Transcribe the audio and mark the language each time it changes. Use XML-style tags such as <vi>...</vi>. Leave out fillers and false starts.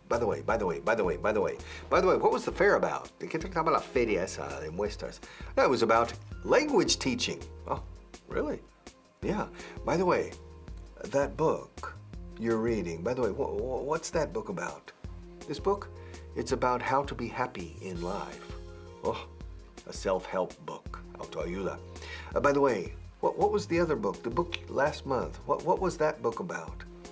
<en>By the way, what was the fair about?</en> <es>¿De qué trataba la feria esa de muestras?</es> <en>No, it was about language teaching. Oh, really? Yeah. By the way, that book you're reading, by the way, what's that book about? This book? It's about how to be happy in life. Oh, a self-help book. Autoayuda. By the way, what was the other book? The book last month. What was that book about?</en>